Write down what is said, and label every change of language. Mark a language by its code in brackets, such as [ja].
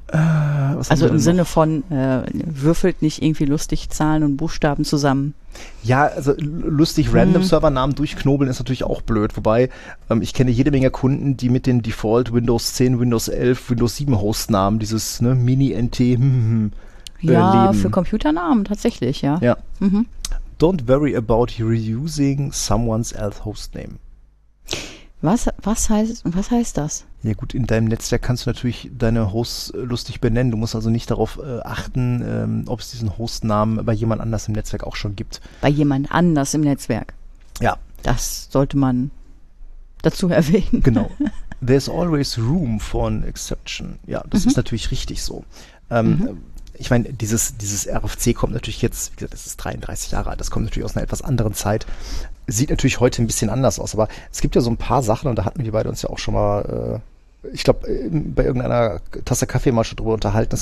[de] Also im Sinne von würfelt nicht irgendwie lustig Zahlen und Buchstaben zusammen. Ja, also lustig random Servernamen durchknobeln ist natürlich auch blöd, wobei ich kenne jede Menge Kunden, die mit den Default Windows 10, Windows 11, Windows 7 Hostnamen, dieses, ne, Mini-NT leben. Für Computernamen tatsächlich, ja. Ja. Mhm. [en] Don't worry about reusing someone else's hostname. [de] Was heißt das? Ja gut, in deinem Netzwerk kannst du natürlich deine Hosts lustig benennen. Du musst also nicht darauf achten, ob es diesen Hostnamen bei jemand anders im Netzwerk auch schon gibt. Bei jemand anders im Netzwerk? Ja. Das sollte man dazu erwähnen. Genau. [en] There's always room for an exception. [de] Ja, das ist natürlich richtig so. Ich meine, dieses RFC kommt natürlich jetzt, wie gesagt, das ist 33 Jahre alt, das kommt natürlich aus einer etwas anderen Zeit. Sieht natürlich heute ein bisschen anders aus, aber es gibt ja so ein paar Sachen, und da hatten wir beide uns ja auch schon mal, ich glaube, bei irgendeiner Tasse Kaffee mal schon drüber unterhalten.